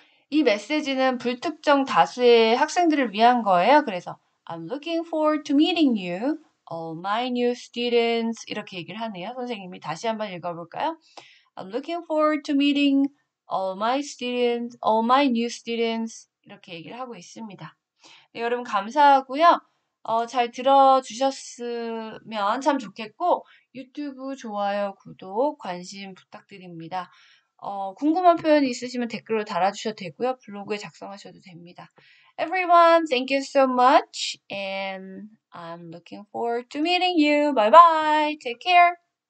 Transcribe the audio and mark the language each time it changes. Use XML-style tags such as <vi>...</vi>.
<ko>이 메시지는 불특정 다수의 학생들을 위한 거예요. 그래서</ko> <en>I'm looking forward to meeting you, all my new students.</en> <ko>이렇게 얘기를 하네요. 선생님이 다시 한번 읽어볼까요?</ko> <en>I'm looking forward to meeting all my new students.</en> <ko>이렇게 얘기를 하고 있습니다. 네, 여러분, 감사하고요. 잘 들어주셨으면 참 좋겠고, 유튜브 좋아요, 구독, 관심 부탁드립니다. 궁금한 표현이 있으시면 댓글로 달아주셔도 되고요. 블로그에 작성하셔도 됩니다.</ko> <en>Everyone, thank you so much, and I'm looking forward to meeting you. Bye bye. Take care.</en>